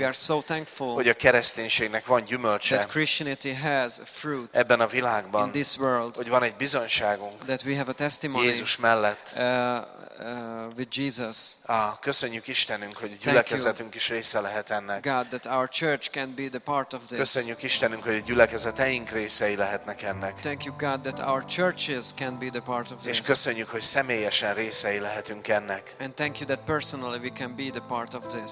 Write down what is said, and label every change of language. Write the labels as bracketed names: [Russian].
[English] We are so thankful. [Hungarian] Hogy a kereszténységnek van gyümölcse. [English] That Christianity has a fruit. [Hungarian] Ebben a világban. [English] In this world. [Hungarian] Hogy van egy bizonyságunk. [English] That we have a [Hungarian] Jézus mellett. [English] With Jesus. [Hungarian] Köszönjük Istenünk, hogy a gyülekezetünk is része lehet ennek. [English] God, that our church can be the part of this. [Hungarian] Köszönjük Istenünk, hogy a gyülekezeteink részei lehetnek ennek. [English] Thank you God that our churches can be the part of this. [Hungarian] És köszönjük, hogy személyesen részei lehetünk ennek. [English] And thank you that personally we can be the part of this.